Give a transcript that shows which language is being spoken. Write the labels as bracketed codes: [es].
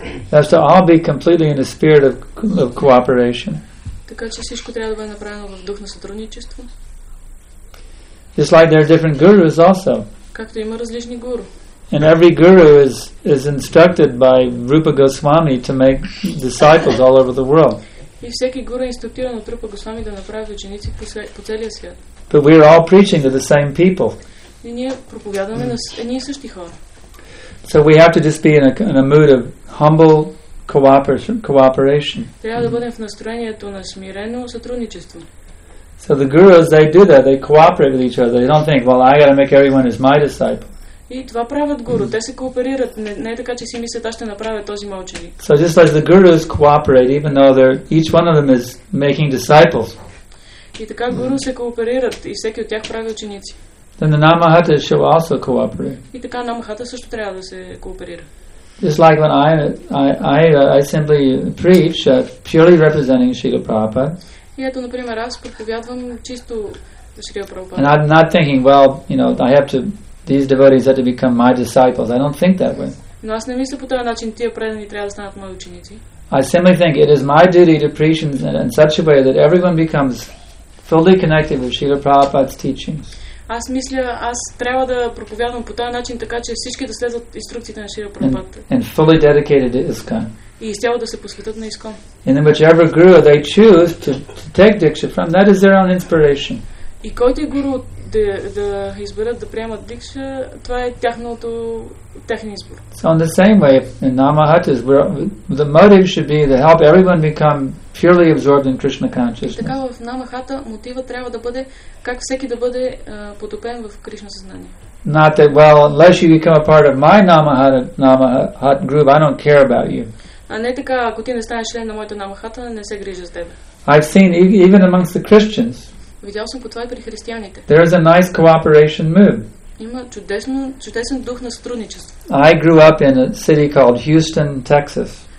[en] That's to all be completely in the spirit of cooperation. [bg] Така че всичко трябва да бъде направено в дух на сътрудничество. [en] Just like there are different gurus also. [bg] Както има различни гуру. [en] And every guru is instructed by Rupa Goswami to make disciples all over the world. [bg] И всеки гуру е инструктиран от Рупа Госвами да направи ученици по целия свят. [en] But we are all preaching to the same people. [bg] И ние проповядваме на едни и същи хора. [en] So we have to just be in a mood of humble cooperation. [bg] Трябва да бъдем в настроението на смирено сътрудничество. [en] So the gurus, they do that. They cooperate with each other. They don't think, well, I got to make everyone as my disciple. [bg] И това правят гуру. Те се кооперират. Не е така, че си мислят, аз ще направя този мой ученик. [en] So just like the gurus cooperate, even though each one of them is making disciples. [bg] И така гуру се кооперират и всеки от тях прави ученици. [en] Then the Namahata shall also cooperate. [bg] И така Намахата също трябва да се кооперира. [en] Just like when I simply preach, purely representing Srila Prabhupada. [bg] И ето, например, аз проповядвам чисто Шрила Прабхупада. [en] And I'm not thinking, well, you know, I have to, these devotees have to become my disciples. I don't think that way. [bg] Но аз не мисля по този начин, тия предани трябва да станат мои ученици. [en] I simply think it is my duty to preach in such a way that everyone becomes fully connected with Srila Prabhupada's teachings. [bg] Аз мисля, аз трябва да проповядвам по този начин, така че всички да следват инструкциите на Шрила Прабхупада. И изцяло да се посветят на ИСКОН. [en] And whichever guru they choose to take diksha from, that is their own inspiration. [bg] И който е гуру да изберат да приемат дикша, това е тяхното техния избор. [en] So in the same way, in Namahatis, the motive should be to help everyone become purely absorbed in Krishna consciousness. [bg] И така в Намахата мотива трябва да бъде как всеки да бъде потопен в Кришна съзнание. [en] Not that, well, unless you become a part of my Namahat group, I don't care about you. [bg] А не така, ако ти не станеш член на моята Намахата, не се грижа за теб. [en] I've seen even amongst the Christians. [bg] Видял съм по това и при християните. [en] There is a nice cooperation move. [bg] Има чудесен дух на сътрудничество. [en] I grew up in a city called Houston, Texas.